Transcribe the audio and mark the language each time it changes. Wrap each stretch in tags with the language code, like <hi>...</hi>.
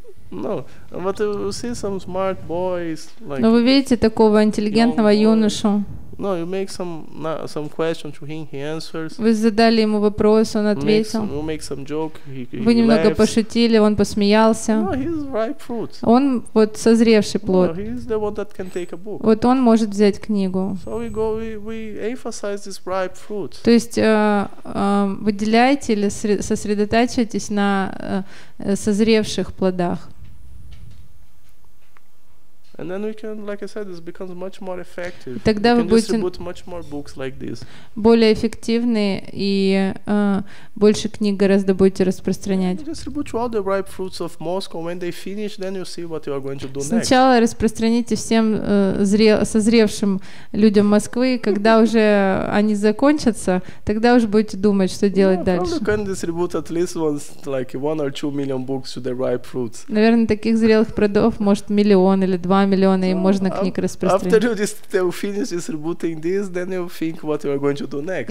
<en>No, but you see some smart boys like.</en> <ru>Но вы видите такого интеллигентного юношу?</ru> <en>No, you make some question to him, he answers.</en> <ru>Вы задали ему вопрос, он ответил.</ru> <en>You make some joke, he laughs.</en> <ru>Вы немного пошутили, он посмеялся.</ru> <en>No, he's ripe fruit.</en> <ru>Он вот созревший плод.</ru> <en>No, he's the one that can take a book.</en> <ru>Вот он может взять книгу.</ru> <en>So we emphasize this ripe fruit.</en> <ru>То есть выделяйте или сосредотачивайтесь на созревших плодах.</ru> <en>And then we can, like I said, this becomes much more effective.</en> <ru>И тогда</ru> <en>we</en> <ru>вы будете</ru> <en>much more books like this.</en> <ru>Более эффективны и больше книг гораздо будете распространять.</ru> <en>And distribute all the ripe fruits of Moscow. When they finish, then you see what you are going to do next.</en> <ru>Сначала распространите всем созревшим людям Москвы, когда уже они закончатся, тогда уже будете думать, что делать дальше.</ru> <en>Probably can distribute at least one or two million books to the ripe fruits.</en> <ru>Наверное, таких зрелых плодов может миллион или два. Миллионы so, и можно книг распространить.</ru>